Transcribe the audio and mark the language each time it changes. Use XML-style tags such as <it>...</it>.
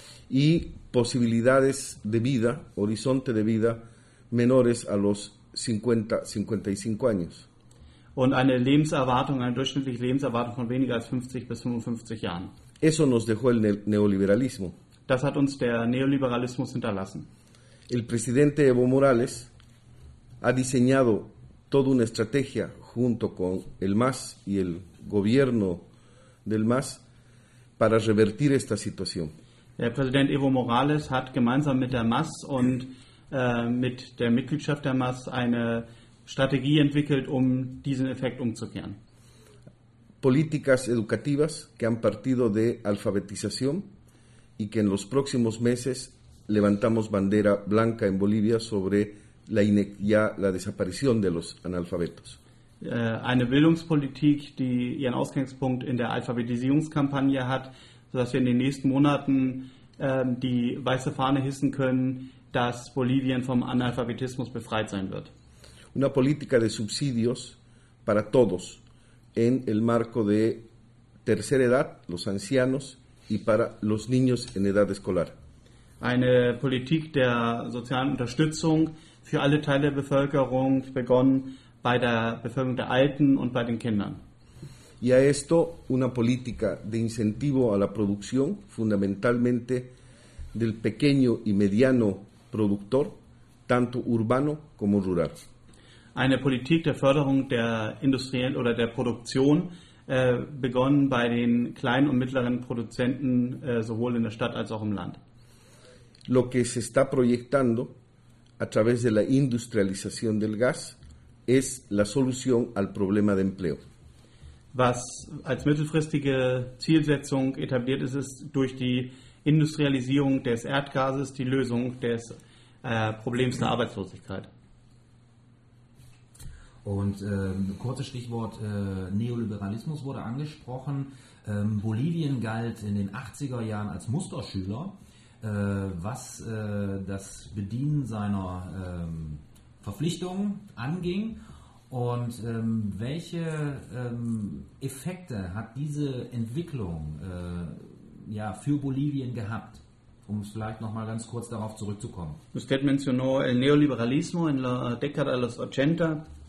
<es>Y posibilidades de vida, horizonte de vida, menores a los 50-55 años.</es> <de>Und eine Lebenserwartung, eine durchschnittliche Lebenserwartung von weniger als 50 bis 55 Jahren.</de> <es>Eso nos dejó el neoliberalismo.</es> <de>Das hat uns der Neoliberalismus hinterlassen.</de> <es>El presidente Evo Morales ha diseñado toda una estrategia junto con el MAS y el gobierno del MAS para revertir esta situación.</es> <de>Der Präsident Evo Morales hat gemeinsam mit der MAS und mit der Mitgliedschaft der MAS eine Strategie entwickelt, um diesen Effekt umzukehren.</de> <es>Políticas educativas que han partido de alfabetización y que en los próximos meses levantamos bandera blanca en Bolivia sobre la la desaparición de los analfabetos.</es> <de>Eine Bildungspolitik, die ihren Ausgangspunkt in der Alphabetisierungskampagne hat, sodass wir in den nächsten Monaten die weiße Fahne hissen können, dass Bolivien vom Analphabetismus befreit sein wird.</de> <es>Una política de subsidios para todos en el marco de tercera edad, los ancianos y para los niños en edad escolar.</es> <de>Eine Politik der sozialen Unterstützung für alle Teile der Bevölkerung, begonnen bei der Bevölkerung der Alten und bei den Kindern.</de> <es>Y a esto una política de incentivo a la producción, fundamentalmente del pequeño y mediano productor, tanto urbano como rural.</es> <de>Eine Politik der Förderung der industriellen oder der Produktion, begonnen bei den kleinen und mittleren Produzenten, sowohl in der Stadt als auch im Land.</de> <es>Lo que se está proyectando a través de la industrialización del gas es la solución al problema de empleo.</es> <de>Was als mittelfristige Zielsetzung etabliert ist, ist durch die Industrialisierung des Erdgases die Lösung des Problems der Arbeitslosigkeit. Und kurzes Stichwort Neoliberalismus wurde angesprochen. Bolivien galt in den 80er Jahren als Musterschüler, was das Bedienen seiner Verpflichtungen anging. Und welche Effekte hat diese Entwicklung für Bolivien gehabt? Um es vielleicht nochmal ganz kurz darauf zurückzukommen.</de> <es>Usted mencionó el neoliberalismo en la década de los 80.</es>